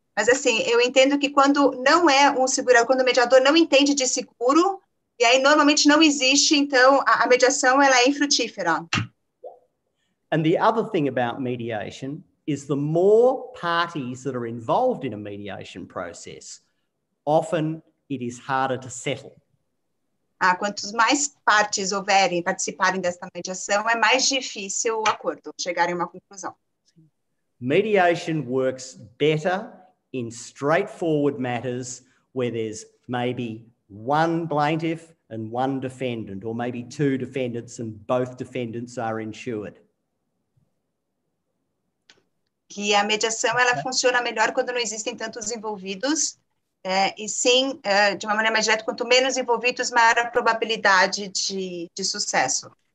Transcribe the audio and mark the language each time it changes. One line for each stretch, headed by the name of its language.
Portuguese: Mas assim, eu entendo que quando não é um segurador, quando o mediador não entende de seguro, e aí normalmente não existe, então a mediação ela é infrutífera.
English: And the other thing about mediation is the more parties that are involved in a mediation process... Often it is harder to settle.
Portuguese: Ah, quantos mais partes houverem participarem desta mediação, é mais difícil o acordo, chegar em uma conclusão.
English: Mediation works better in straightforward matters where there's maybe one plaintiff and one defendant, or maybe two defendants and both defendants are insured.
Portuguese: Que a mediação ela funciona melhor quando não existem tantos envolvidos. De uma maneira mais direta, quanto menos envolvidos, maior a probabilidade de sucesso.